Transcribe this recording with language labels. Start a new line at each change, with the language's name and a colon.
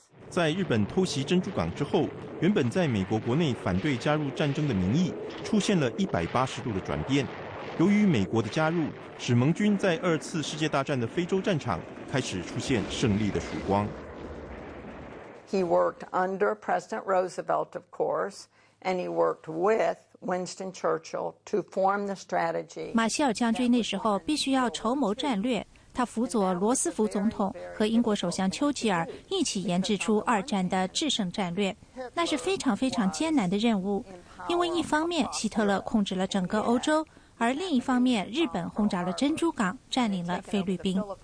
Chinese: 在日本偷袭珍珠港之后，原本在美国国内反对加入战争的民意出现了180度的转变。由于美国的加入，使盟军在二次世界大战的非洲战场开始出现胜利的曙光。
English: He worked under President Roosevelt, of course, and he worked with. Winston Churchill to form the strategy.
Chinese: 马歇尔将军那时候必须要筹谋战略，他辅佐罗斯福总统和英国首相丘吉尔一起研制出二战的制胜战略，那是非常非常艰难的任务，因为一方面希特勒控制了整个欧洲，而另一方面日本轰炸了珍珠港，占领了菲律宾。